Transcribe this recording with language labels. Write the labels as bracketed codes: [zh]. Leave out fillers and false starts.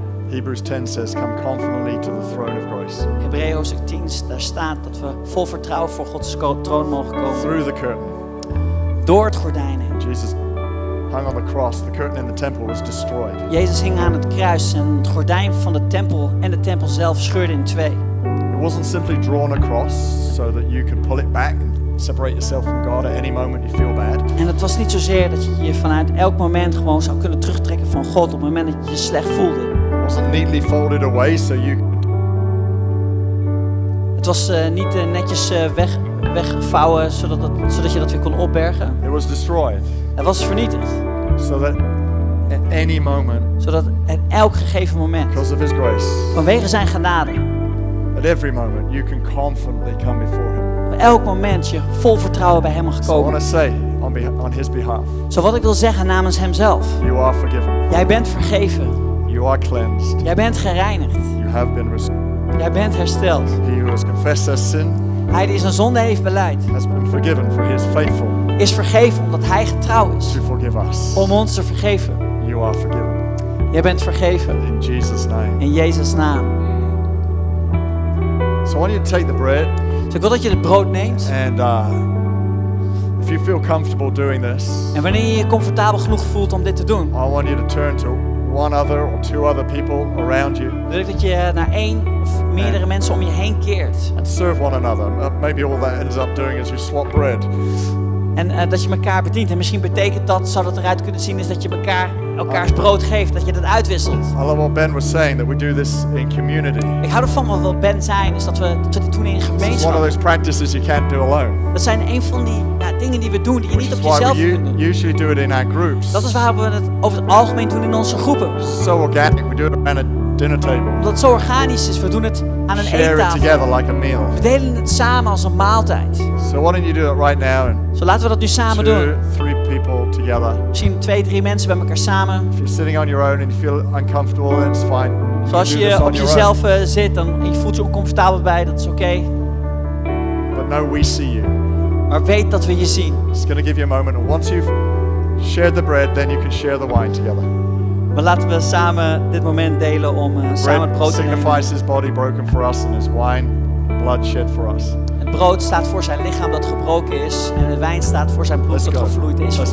[en] Hebrews 10 says, "Come confidently to the throne of grace." [nl] Hebreeën 10, daar staat dat we vol vertrouwen voor Gods troon mogen komen. [en] Through the curtain. [nl] Door het gordijn. [en] Jesus hung on the cross. The curtain in the temple was destroyed. [nl] Jezus hing aan het kruis en het gordijn van de tempel en de tempel zelf scheurde in twee. [en] It wasn't simply drawn across so that you could pull it back and separate yourself from God at any moment you feel bad. [nl] En het was niet zozeer dat je je vanuit elk moment gewoon zou kunnen terugtrekken van God op het moment dat je je slecht voelde. [en] Neatly folded away so you could. [nl] Het was niet netjes weggevouwen zodat je dat weer kon opbergen. [en] It was destroyed. [nl] Het was vernietigd. [en] So that at any moment. [nl] Zodat at elk gegeven moment. [en] Because of His grace. [nl] Vanwege zijn genade. [en] At every moment you can confidently come before Him. [nl] Op elk moment je vol vertrouwen bij Hem mag komen. [en] So I want to say on His behalf. [nl] Zo wat ik wil zeggen namens Hemzelf. [en] You are forgiven. [nl] Jij bent vergeven. [en] You are cleansed. [nl] Jij bent gereinigd. [en] You have been restored. [nl] Jij bent hersteld. [en] He who has confessed his sin. [nl] Hij die zijn zonde heeft beleid. [en] Has been forgiven for he is faithful. [nl] Is vergeven omdat hij getrouw is. [en] To forgive us. [nl] Om ons te vergeven. [en] You are forgiven. [nl] Jij bent vergeven. [en] In Jesus' name. [nl] In Jezus' naam. [en] So I want you to take the bread. [nl] So ik wil dat je het brood neemt. [en] And if you feel comfortable doing this. [nl] En wanneer je je comfortabel genoeg voelt om dit te doen. [en] I want you to turn to one other or two other people around you. [nl] Wil ik dat je naar één of meerdere mensen om je heen keert. [en] And serve one another. Maybe all that ends up doing is you swap bread. [nl] En dat je elkaar bedient. En misschien betekent dat, zou dat eruit kunnen zien, is dat je elkaars brood geeft. Dat je dat uitwisselt. [en] I love what Ben was saying, that we do this in community. [nl] Ik hou ervan wat Ben zei, is dat we dit doen in gemeenschap. [en] One of those practices you can't do alone. [nl] Dat zijn een van die dingen die we doen, die je [en] Which [nl] niet op jezelf kunt doen. [en] Usually do it in our groups. [nl] Dat is waar we het over het algemeen doen in onze groepen. [en] So organic, we do it around a dinner table. [nl] Omdat het zo organisch is, we doen het aan een [en] Share [nl] eettafel. [en] It together like a meal. [nl] We delen het samen als een maaltijd. [en] So why don't you do it right now? [nl] So laten we dat nu samen [en] two, [nl] doen. [en] Three people together. [nl] Misschien twee, drie mensen bij elkaar samen. [en] If you're sitting on your own and you feel uncomfortable, then it's fine. [nl] So als je op jezelf zit en je voelt je oncomfortabel bij, dat is oké. [en] Okay. But know we see you. [nl] Maar weet dat we je zien. [en] It's going to give you a moment. Once you've shared the bread, then you can share the wine together. [nl] Maar laten we samen dit moment delen om samen het brood te nemen. [en] Bread signifies his body broken for us and his wine blood shed for us. [nl] Het brood staat voor zijn lichaam dat gebroken is en de wijn staat voor zijn bloed dat gevloeid is voor ons.